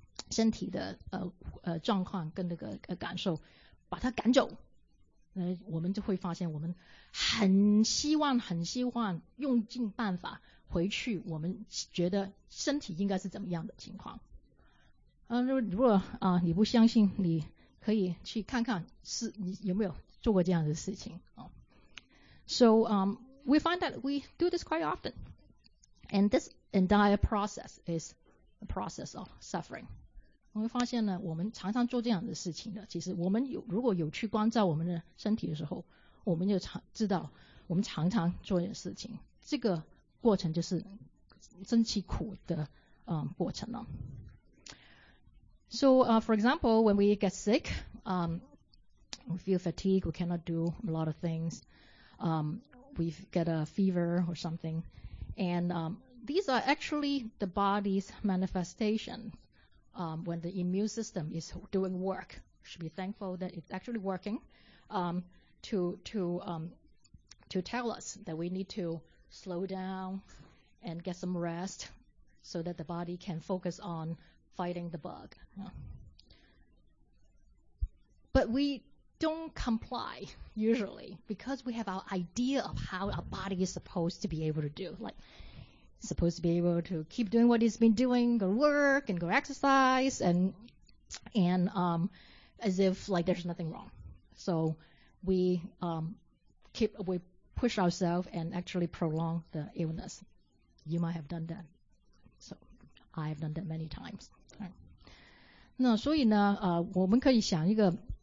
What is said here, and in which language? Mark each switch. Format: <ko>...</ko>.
<zh>身体的状况跟那个感受把它赶走，我们就会发现我们很希望用尽办法回去我们觉得身体应该是怎么样的情况。如果你不相信，你可以去看看是你有没有做过这样的事情。</zh> <en>So we find that we do this quite often. And this entire process is a process of suffering.</en> <zh>我们发现呢，我们常常做这样的事情的。其实我们如果有去关照我们的身体的时候，我们就知道我们常常做的事情，这个过程就是生起苦的过程了。</zh> <en>So for example, when we get sick, we feel fatigued, we cannot do a lot of things, we get a fever or something, and these are actually the body's manifestation when the immune system is doing work, should be thankful that it's actually working, to tell us that we need to slow down and get some rest so that the body can focus on fighting the bug. But we don't comply usually because we have our idea of how our body is supposed to be able to do, like supposed to be able to keep doing what it's been doing, go to work and go exercise, and as if like there's nothing wrong. So we push ourselves and actually prolong the illness. You might have done that. So I have done that many times. Right.</en> <zh>那所以呢，我们可以想一个。</zh>